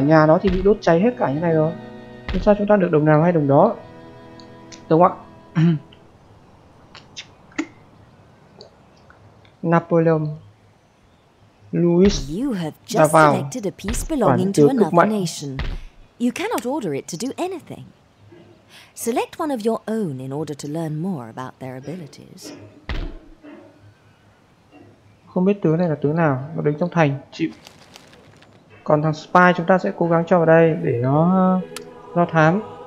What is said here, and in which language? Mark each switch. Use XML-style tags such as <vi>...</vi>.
<vi>Nhà nó thì bị đốt cháy hết cả như này rồi, nên sao chúng ta được đồng nào hay đồng đó, đúng không ạ? Napoleon Louis đã vào quản chứa cực mạnh.</vi> <en>You cannot order it to do anything. Select one of your own in order to learn more about their abilities.</en> <vi>Không biết tướng này là tướng nào, nó đứng trong thành, chịu. Còn thằng spy chúng ta sẽ cố gắng cho vào đây để nó do thám.</vi>